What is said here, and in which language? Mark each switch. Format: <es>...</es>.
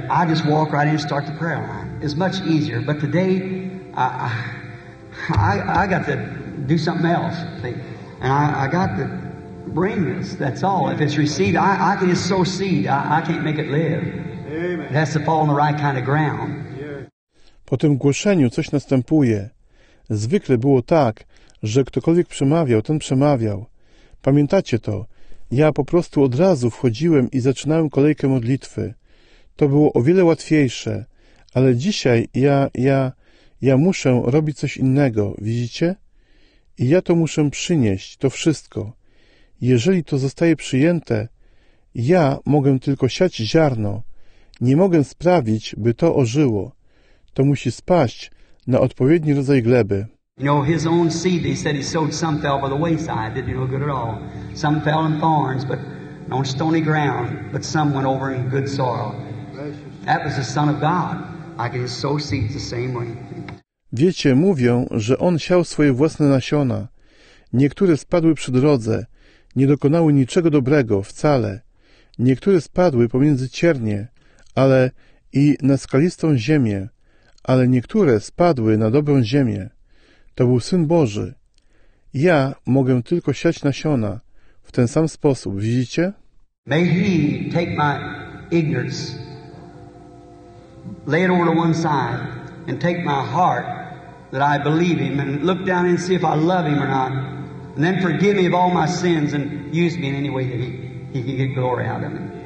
<en>I just walk right in and start the prayer line. It's much easier. But today, I got to do something else. And I got to bring this. That's all. If it's received, I can just sow seed. I can't make it live. It has to fall on the right kind of ground.</en> <pl>Po tym głoszeniu coś następuje. Zwykle było tak, że ktokolwiek przemawiał, ten przemawiał. Pamiętacie to? Ja po prostu od razu wchodziłem i zaczynałem kolejkę modlitwy. To było o wiele łatwiejsze. Ale dzisiaj ja muszę robić coś innego, widzicie? I ja to muszę przynieść, to wszystko. Jeżeli to zostaje przyjęte, ja mogę tylko siać ziarno. Nie mogę sprawić, by to ożyło. To musi spaść na odpowiedni rodzaj gleby.</pl> <en>You know, his own seed, he said he sowed some fell by the wayside, didn't look good at all. Some fell in thorns, but on stony ground, but some went over in good soil. That was the Son of God. I can sow seeds the same way.</en> <pl>Wiecie, mówią, że on siał swoje własne nasiona. Niektóre spadły przy drodze, nie dokonały niczego dobrego wcale. Niektóre spadły pomiędzy ciernie, ale i na skalistą ziemię, ale niektóre spadły na dobrą ziemię. To był Syn Boży. Ja mogę tylko siać nasiona w ten sam sposób, widzicie?</pl> <en>May he take my ignorance, lay it over to one side, and take my heart that I believe him, and look down and see if I love him or not, and then forgive me of all my sins and use me in any way that he can get glory out of me.</en>